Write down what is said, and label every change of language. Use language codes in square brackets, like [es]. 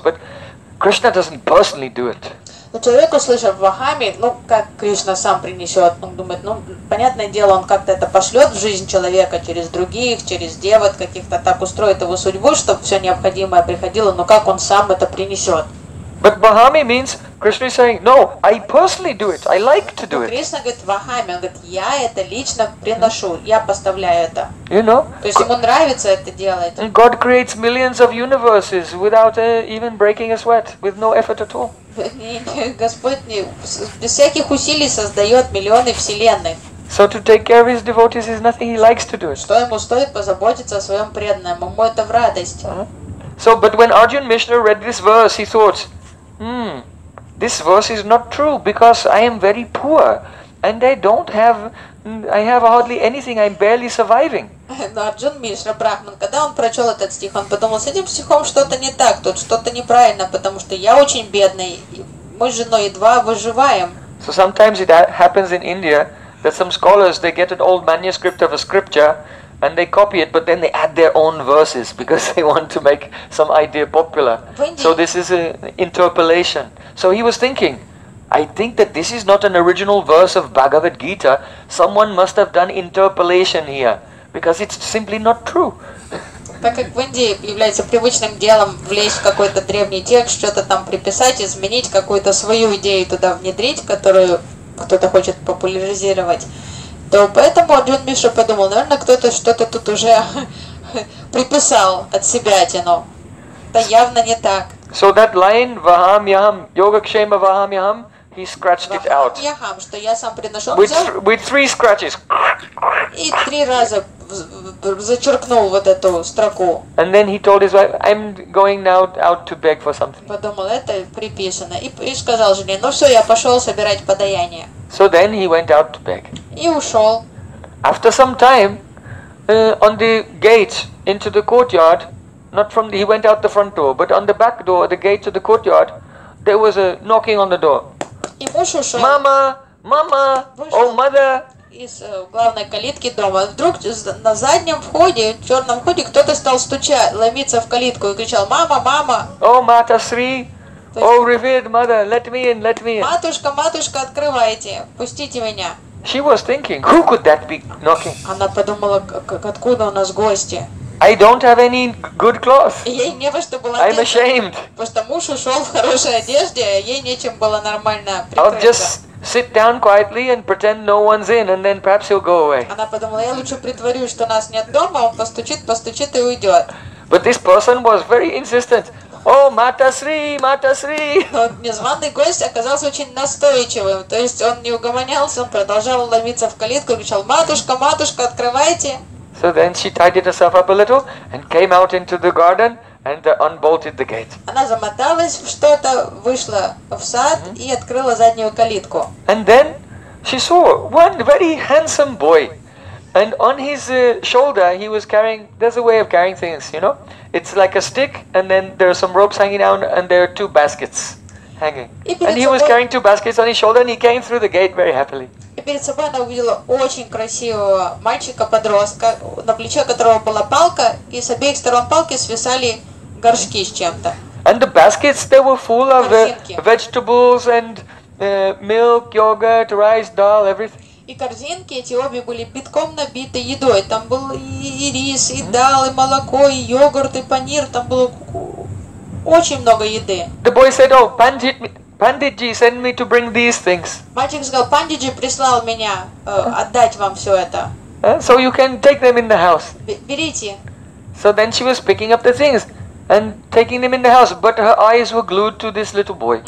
[en] But Krishna doesn't personally do it. [ru] Но человек, услышав Вахами, ну, как Кришна сам принесет, он думает, ну, понятное дело, он как-то это пошлет в жизнь человека через других, через девот каких-то, так устроит его судьбу, чтобы все необходимое приходило, но как он сам это принесет? [en] But Bahami means Krishna is saying, no, I personally do it. I like to do it. [ru] Krishna говорит Bahami, он говорит, я это лично приношу, я поставляю это. [en] You know? [ru] То есть ему нравится это делать. [en] And God creates millions of universes without even breaking a sweat, with no effort at all. [ru] Господь без всяких усилий создает миллионы вселенных. [en] So to take care of his devotees is nothing. He likes to do it. [ru] Что ему стоит позаботиться о своем преданном? Ему это в радость. [en] So, but when Arjun Mishra read this verse, he thought, this verse is not true because I am very poor and I have hardly anything, I'm barely surviving. [ru] Но Арджун Мишра Брахман, когда он прочел этот стих, он подумал, с этим стихом что-то не так, тут что-то неправильно, потому что я очень бедный, мы с женой едва выживаем. [en] So sometimes it happens in India that some scholars, they get an old manuscript of a scripture and they copy it, but then they add their own verses because they want to make some idea popular. So this is an interpolation. So he was thinking, I think that this is not an original verse of Bhagavad Gita. Someone must have done interpolation here because it's simply not true. [ru] Так как в Индии является привычным делом влезть в какой-то древний текст, что-то там приписать, изменить какую-то свою идею туда внедрить, которую кто-то хочет популяризировать. То поэтому Арджун Мишра подумал, наверное, кто-то что-то тут уже приписал от себя тяну. Это явно не так. [en] So that line, [sa] Vahamyaham, Yoga Kshema Vahamyaham, [en] he scratched it out. [ru] Vahamyaham, что я сам приношу. [en] With three scratches. [ru] И три раза зачеркнул вот эту строку. [en] And then he told his wife, I'm going now out to beg for something. [ru] Подумал, это приписано. И сказал жене, ну все, я пошел собирать подаяние. [en] So then he went out to beg. [ru] И ушел. [en] After some time, on the gate into the courtyard, he went out the front door, but on the back door, the gate to the courtyard, there was a knocking on the door. [ru] И муж ушел. Мама, мама, о, мама. Из главной калитки дома. Вдруг на заднем входе, в черном входе, кто-то стал стучать, ломиться в калитку и кричал, мама, мама. [en] О, мата Сри. О, revered mother, let me in, let me in. [ru] Матушка, матушка, открывайте, пустите меня. [en] She was thinking, who could that be knocking? [ru] Она подумала, откуда у нас гости? [en] I don't have any good clothes. [ru] Ей не во что было одеться. [en] I'm ashamed. [ru] Просто муж ушел в хорошей одежде, а ей нечем было нормально прикрыться. [en] I'll just sit down quietly and pretend no one's in, and then perhaps he'll go away. [ru] Она подумала, я лучше притворюсь, что нас нет дома, он постучит, постучит и уйдет. [en] But this person was very insistent. О, Мата Сри, Мата Сри! [ru] Но незваный гость оказался очень настойчивым. То есть он не угомонялся, он продолжал ломиться в калитку и кричал, матушка, матушка, открывайте! [en] So then she tidied herself up a little and came out into the garden and unbolted the gate. [ru] Она замоталась в что-то, вышла в сад и открыла заднюю калитку. [en] And then she saw one very handsome boy. And on his shoulder, he was carrying, there's a way of carrying things, you know. It's like a stick, and then there are some ropes hanging down, and there are two baskets hanging. And he was carrying two baskets on his shoulder, and he came through the gate very happily. [ru] И перед собой она увидела очень красивого мальчика-подростка, на плече которого была палка, и с обеих сторон палки свисали горшки с чем-то. [en] And the baskets, they were full of vegetables and milk, yogurt, rice, dal, everything. [ru] И корзинки эти обе были битком набиты едой. Там был и рис, и дал, и молоко, и йогурт, и панир. Там было очень много еды. [en] The boy said, "Oh, Panditji, send me to bring these things." [ru] Мальчик сказал, Панditji прислал меня отдать вам все это. [en] So you can take them in the house. [ru] Берите. [en] So then she was picking up the things. and taking them in the house, but her eyes were glued to this little boy.